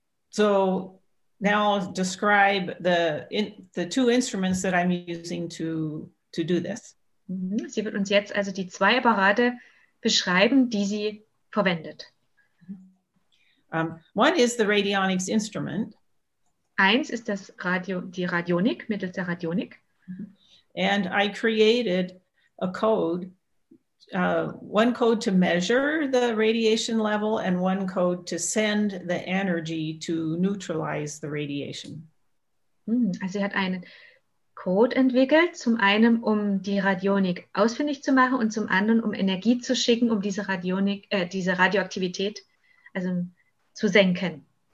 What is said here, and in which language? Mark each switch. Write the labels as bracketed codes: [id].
[en] So now I'll describe the two instruments that I'm using to do this. [de] Sie wird uns jetzt also die zwei Apparate beschreiben, die sie verwendet. [en] One is the radionics instrument. [de] Eins ist die Radionik, mittels der Radionik. [en] And I created a code, one code to measure the radiation level and one code to send the energy to neutralize the radiation. [de] Also sie hat einen Code entwickelt, zum einen, um die Radionik ausfindig zu machen und zum anderen, um Energie zu schicken, um diese Radioaktivität also zu senken.